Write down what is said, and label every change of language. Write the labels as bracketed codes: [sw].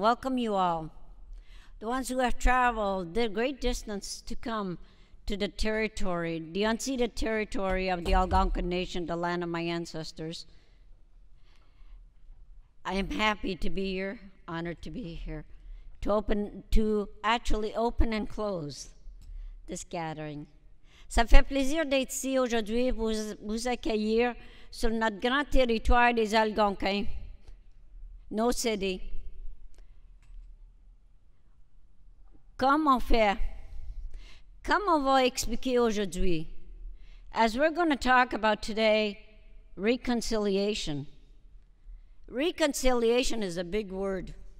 [en] Welcome you all, the ones who have traveled the great distance to come to the territory, the unceded territory of the Algonquin Nation, the land of my ancestors. I am happy to be here. Honored to be here to actually open and close this gathering. [fr] Ça me fait plaisir d'être ici aujourd'hui et vous accueillir sur notre grand territoire des Algonquins, nos cédés. Comment on va expliquer aujourd'hui? [en] As we're going to talk about today, reconciliation. Reconciliation is a big word.